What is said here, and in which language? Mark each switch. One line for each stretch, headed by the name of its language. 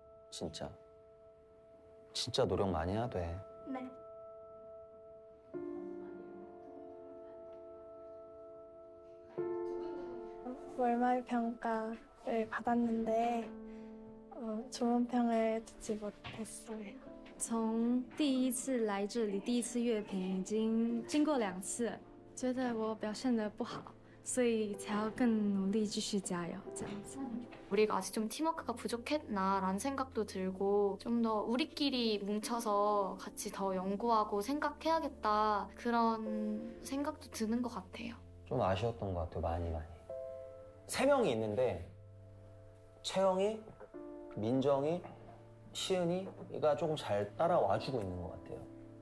Korean: 진짜. 진짜 노력 많이 해야 돼. 네. 월말 평가를 받았는데 좋은 평을 듣지 못했어요.
Chinese: 从第一次来这里第一次乐评已经经过两次觉得我表现得不好 所以才要更努力继续加油这样子
Korean: 우리가 아직 좀 팀워크가 부족했나라는 생각도 들고 좀 더 우리끼리 뭉쳐서 같이 더 연구하고 생각해야겠다 그런 생각도 드는 것 같아요. 좀 아쉬웠던 것 같아요. 많이 세 명이 있는데 채영이, 민정이, 시은이가 조금 잘 따라와주고 있는 것 같아요.